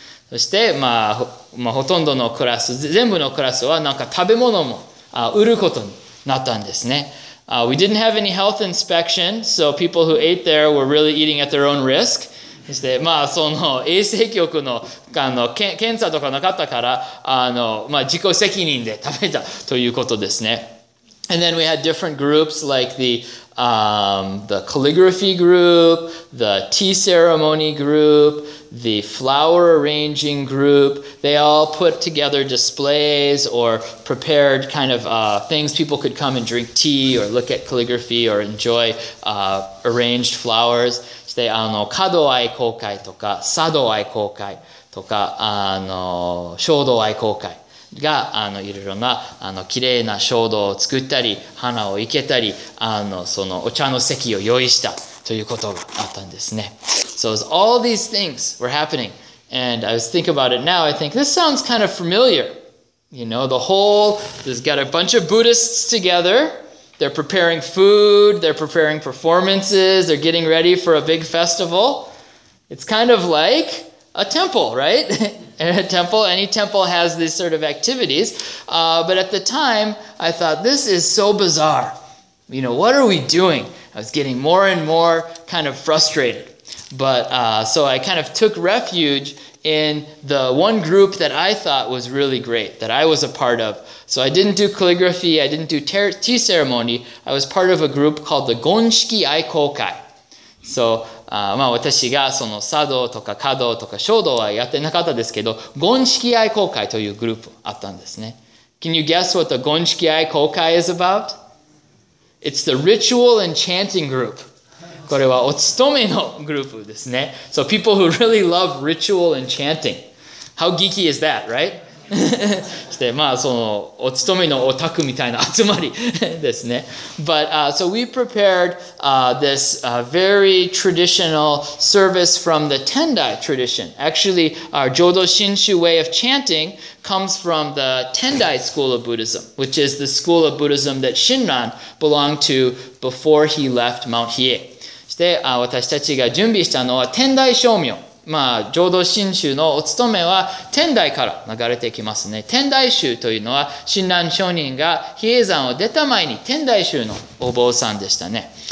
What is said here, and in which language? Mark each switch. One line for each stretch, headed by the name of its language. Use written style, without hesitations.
Japanese: そして、まあ、ほとんどのクラス、全部のクラスはなんか食べ物も売ることになったんですね。
English: We didn't have any health inspection, so people who ate there were really eating at their own risk.
Japanese: そして、まあ、その衛生局の、検査とかなかったから、まあ、自己責任で食べたということですね。
English: And then we had different groups like the calligraphy group, the tea ceremony group, the flower arranging group. They all put together displays or prepared kind of things. People could come and drink tea or look at calligraphy or enjoy arranged flowers.
Japanese: で、角愛好会とか、茶道愛好会とか、書道愛好会。がいろいろな綺麗な衝動を作ったり花を生けたりそのお茶の席を用意したということがあったんですね。
English: So all these things were happening, and I was thinking about it now. I think this sounds kind of familiar. You know, the whole has got a bunch of Buddhists together. They're preparing food. They're preparing performances. They're getting ready for a big festival. It's kind of like a temple, right? Any temple has these sort of activities. But at the time, I thought, this is so bizarre. You know, what are we doing? I was getting more and more kind of frustrated. But so I kind of took refuge in the one group that I thought was really great, that I was a part of. So I didn't do calligraphy. I didn't do tea ceremony. I was part of a group called the Gonshiki Aikokai. So...
Japanese: まあ私がその茶道とか華道とか書道はやってなかったですけど、ゴンシキ愛好会というグループあったんですね。
English: Can you guess what the ゴンシキ愛好会 is about? It's the ritual and chanting group.
Japanese: これはお勤めのグループですね。
English: So people who really love ritual and chanting. How geeky is that, right?
Japanese: してまあそのお勤めのオタクみたいな集まりですね。
English: But so we prepared this very traditional service from the Tendai tradition. Actually, our Jodo Shinshu way of chanting comes from the Tendai school of Buddhism, which is the school of Buddhism that Shinran belonged to before he left Mount Hiei.
Japanese: して私たちが準備したのは Tendai Shomyo。まあ、浄土真宗のお勤めは天台から流れてきますね。天台宗というのは親鸞聖人が比叡山を出た前に天台宗のお坊さんでしたね。